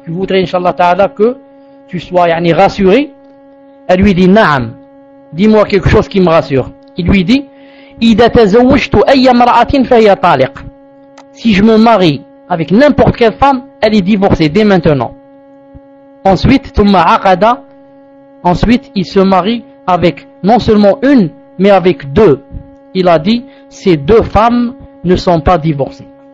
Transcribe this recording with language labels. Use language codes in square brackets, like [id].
[fr] Tu voudrais, inshallah ta'ala, que tu sois yani, rassuré? Elle lui dit na'am. Dis-moi quelque chose qui me rassure. Il lui dit [ar] إذا تزوجت أي امرأة فهي طالق. [fr] Si je me marie avec n'importe quelle femme, elle est divorcée dès maintenant. Ensuite, [ar] Thumma Aqada. [fr] Ensuite, il se marie avec non seulement une, mais avec deux. Il a dit ces deux femmes ne sont pas divorcées.